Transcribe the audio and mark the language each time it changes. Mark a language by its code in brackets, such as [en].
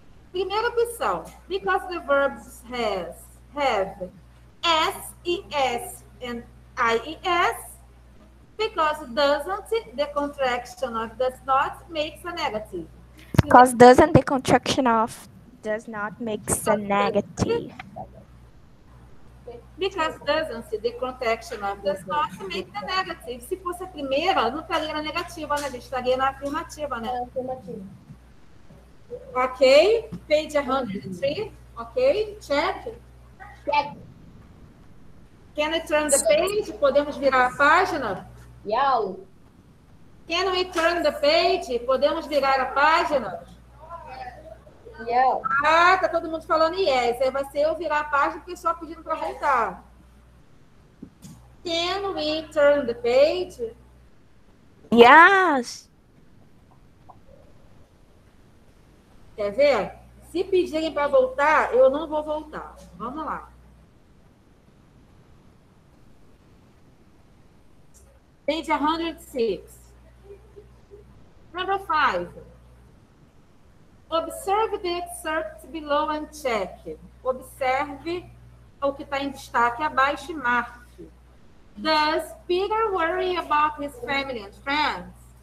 [pt] Primeira opção, [en] because the verbs have S-E-S and I-E-S, because doesn't, the contraction of does not, makes a negative. Because doesn't, the contraction of does not, makes a negative. Because doesn't, the contraction of does not make the negative. [pt] Se fosse a primeira, não estaria na negativa, né? A gente estaria na afirmativa, né? Afirmativa. [en] Ok? Page 103. Ok? Check? Check. Can we turn the page? [pt] Podemos virar a página? Yau. [en] Can we turn the page? [pt] Podemos virar a página? [en] Yeah. [pt] Ah, tá todo mundo falando yes. Aí vai ser eu virar a página e o pessoal pedindo para voltar. [en] Can we turn the page? Yes. [pt] Quer ver? Se pedirem para voltar, eu não vou voltar. Vamos lá. [en] Page 106. Number 5. Observe the excerpts below and check. [pt] Observe o que está em destaque abaixo e marque. [en] Does Peter worry about his family and friends?